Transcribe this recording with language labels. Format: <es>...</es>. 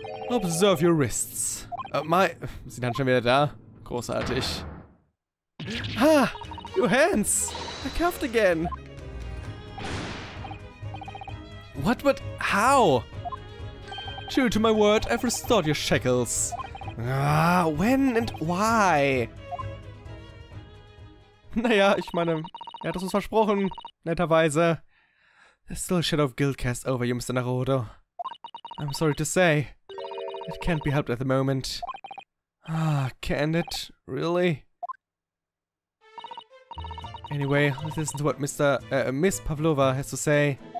<en>Observe your wrists. My...</en> <de>Sind dann schon wieder da? Großartig.</de> <en>Ha! Your hands! They're cuffed again! What? But how? True to my word, I've restored your shackles. When and why?</en> <de>Naja, ich meine, er hat es uns versprochen, netterweise.</de> <en>There's still a shadow of guilt cast over you, Mr. Narodo. I'm sorry to say. It can't be helped at the moment. Can it? Really? Anyway, let's listen to what Miss Pavlova has to say.</en>